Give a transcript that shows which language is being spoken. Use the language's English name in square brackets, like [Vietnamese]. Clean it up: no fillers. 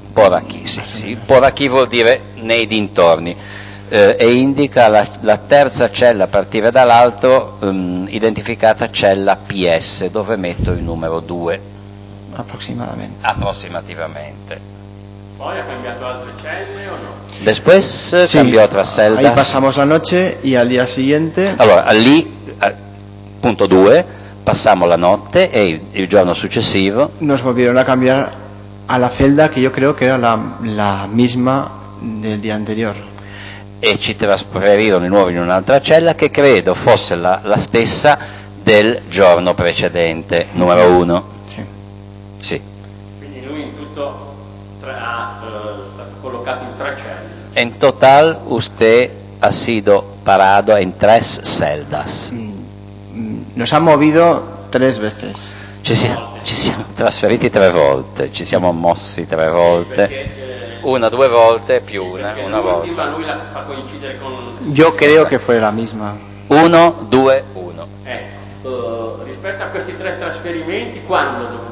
[Spanish] Por aquí, [Italian] sì, sì. Por aquí vuol dire nei dintorni. E indica la terza cella a partire dall'alto, identificata cella PS, dove metto il numero 2. Approssimativamente. Poi ha cambiato altre celle o no? [Spanish] Después sí, cambió otras celdas. Ahí pasamos la noche y al día siguiente. [Italian] Allora, lì, punto 2, passamo la notte e il giorno successivo. [Spanish] Nos volvieron a cambiar a la celda que yo creo que era la misma del día anterior. [Italian] E ci trasferirono di nuovo in un'altra cella che credo fosse la stessa del giorno precedente, numero 1. Sì. Quindi lui in tutto ha collocato in tre celle. [Spanish] In total usted ha sido parado en tres celdas. Nos ha movido tres veces. [Italian] Ci siamo trasferiti tre volte, ci siamo mossi tre volte. Perché, una, due volte più una volta. Lui la fa coincidere con. Io credo che fu [Spanish] la misma. [Italian] Uno, due, uno. Ecco, rispetto a questi tre trasferimenti, quando